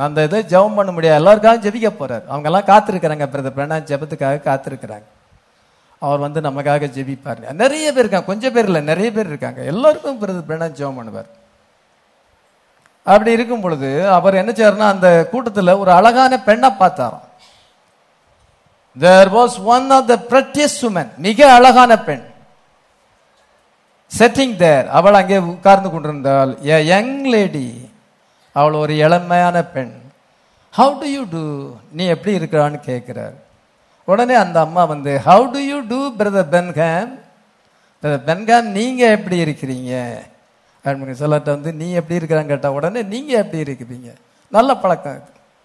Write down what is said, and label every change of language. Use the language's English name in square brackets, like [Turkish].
[Tamil] அந்த இதை ஜெபம் பண்ண முடியாது, எல்லாருக்காகவும் ஜெபிக்க போகிறார். அவங்கெல்லாம் காத்திருக்கிறாங்க, பிரதர் பிரணாம் ஜெபத்துக்காக காத்திருக்கிறாங்க. அவர் வந்து நமக்காக ஜெபிப்பார். நிறைய பேர் இருக்காங்க, கொஞ்சம் பேர் இல்லை, நிறைய பேர் இருக்காங்க. எல்லாருக்கும் பிரதர் பிரணாம் ஜெபம் பண்ணுவார். அப்படி இருக்கும் பொழுது அவர் என்ன செய்யறனா, அந்த கூட்டத்தில் ஒரு அழகான பெண்ணை பார்த்தாராம். [English] There was one of the prettiest women, [Tamil] மிக அழகான பெண் [English] sitting there. [Tamil] அவள் அங்கே உட்கார்ந்து கொண்டிருந்தாள். [English] A young lady, [Tamil] அவள் ஒரு இளமையான பெண். [English] How do you do? [Tamil] நீ எப்படி இருக்கிறான்னு கேட்கிறார். உடனே அந்த அம்மா வந்து, [English] How do you do, [Tamil] Brother Benham? Brother Benham, நீங்கள் எப்படி இருக்கிறீங்க அப்படின்னு சொல்லிட்டு வந்து, நீ எப்படி இருக்கிறான்னு கேட்டால், உடனே நீங்கள் எப்படி இருக்கிறீங்க, நல்ல பழக்கம் இருக்கு.